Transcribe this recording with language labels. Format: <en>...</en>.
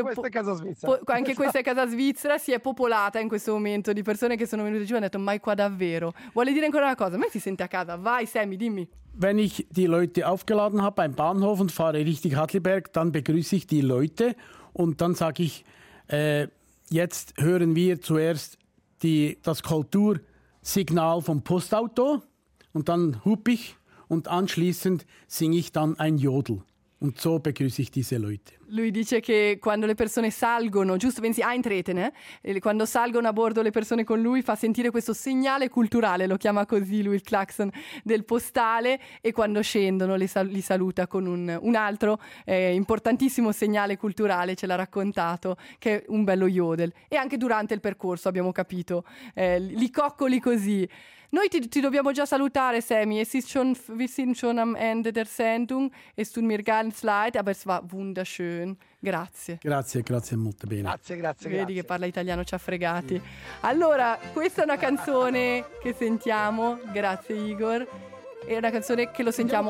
<it>Anche questa è casa svizzera. Anche questa è casa svizzera, si è popolata in questo momento di persone che sono venute giù e hanno detto, mai qua davvero. Vuole dire ancora una cosa? Ma si sente a casa? Vai, Semi, dimmi.</it> <de>Wenn ich die Leute aufgeladen habe beim Bahnhof und fahre Richtung Hadleberg, dann begrüße ich die Leute und dann sage ich, jetzt hören wir zuerst das Kultursignal vom Postauto und dann hupe ich. Und anschließend singe ich dann ein Jodel. Und so begrüße ich diese Leute.</de> <it>Lui dice che quando le persone salgono, giusto,</it> <de>wenn sie eintreten,</de> <it>quando salgono a bordo le persone con lui, fa sentire questo segnale culturale, lo chiama così lui, il klaxon del postale, e quando scendono li saluta con un altro importantissimo segnale culturale, ce l'ha raccontato, che è un bello jodel. E anche durante il percorso, abbiamo capito, li coccoli così. Noi ti dobbiamo già salutare, Semi.</it> <de>Es ist schon, wir sind schon am Ende der Sendung. Es tut mir ganz leid, aber es war wunderschön.</de> <it>Grazie. Grazie, grazie molto bene. Grazie, grazie. Vedi grazie. Che parla italiano, ci ha fregati. Sì. Allora, questa è una canzone che sentiamo. Grazie, Igor. È una canzone che lo sentiamo</it>